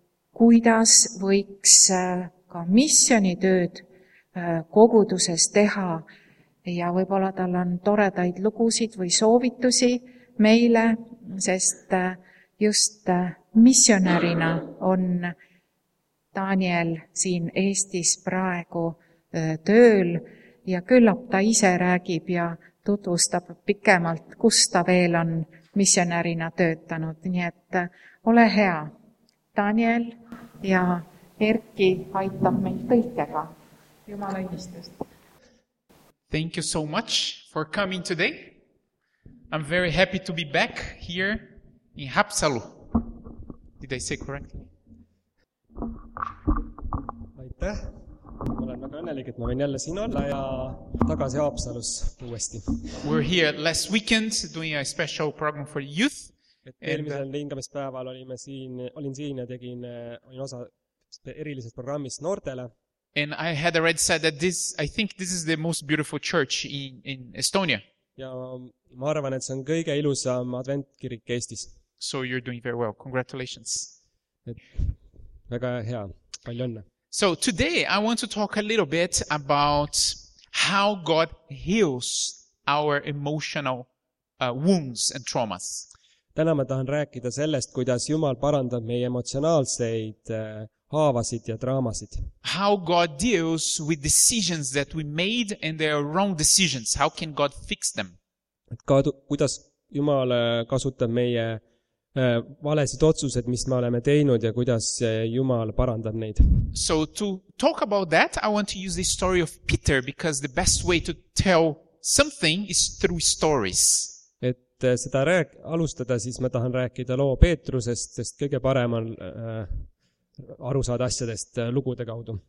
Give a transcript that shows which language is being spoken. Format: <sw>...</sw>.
<et>kuidas võiks ka missionitööd koguduses teha ja võib-olla tal on toredaid lugusid või soovitusi meile, sest just missionärina on Daniel siin Eestis praegu tööl ja küllap ta ise räägib ja tutvustab pikemalt, kus ta veel on missionärina töötanud. Nii et ole hea, Daniel ja Erki aitab meil kõikega. Jumala õnnistust.</et> <en>Thank you so much for coming today. I'm very happy to be back here in Haapsalu. Did I say correctly?</en> <et>Aitäh! Ma olen väga õnnelik, et ma võin jälle siin olla ja tagasi Haapsalus uuesti.</et> <en>We're here last weekend doing a special program for youth.</en> <et>Et eelmisel hingamispäeval olin siin ja olin osa erilisest programmist noortele.</et> <en>And I had already said that I think this is the most beautiful church in Estonia.</en> <et>Ja ma arvan, et see on kõige ilusam adventkirik Eestis.</et> <en>So you're doing very well. Congratulations.</en> <et>Väga hea. Palju õnne.</et> <en>So today I want to talk a little bit about how God heals our emotional wounds and traumas.</en> <et>Täna ma tahan rääkida sellest, kuidas Jumal parandab meie emotsionaalseid haavasid ja traumasid.</et> <en>How God deals with decisions that we made and they are wrong decisions. How can God fix them?</en> <et>Kuidas Jumal kasutab meie valesid otsused, mis me oleme teinud ja kuidas Jumal parandab neid.</et> <en>So to talk about that, I want to use the story of Peter because the best way to tell something is through stories.</en> <et>Et seda alustada, siis ma tahan rääkida loo Peetrusest, sest kõige parem on aru saada asjadest lugude kaudu.</et>